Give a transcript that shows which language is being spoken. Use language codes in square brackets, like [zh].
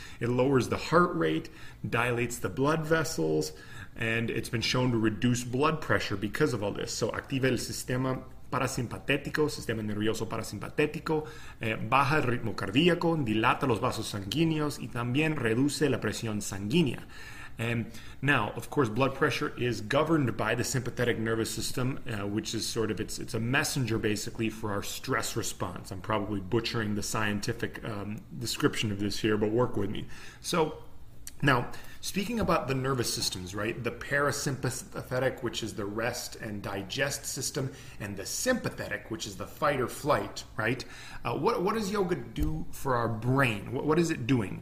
[en] It lowers the heart rate, dilates the blood vessels, and it's been shown to reduce blood pressure because of all this. [es] So, activa el sistema parasimpatético, sistema nervioso parasimpatético, baja el ritmo cardíaco, dilata los vasos sanguíneos, y también reduce la presión sanguínea. [en] And now, of course, blood pressure is governed by the sympathetic nervous system, which is sort of, it's a messenger, basically, for our stress response. I'm probably butchering the scientific description of this here, but work with me. So, now, speaking about the nervous systems, right, the parasympathetic, which is the rest and digest system, and the sympathetic, which is the fight or flight, right, what does yoga do for our brain? What is it doing?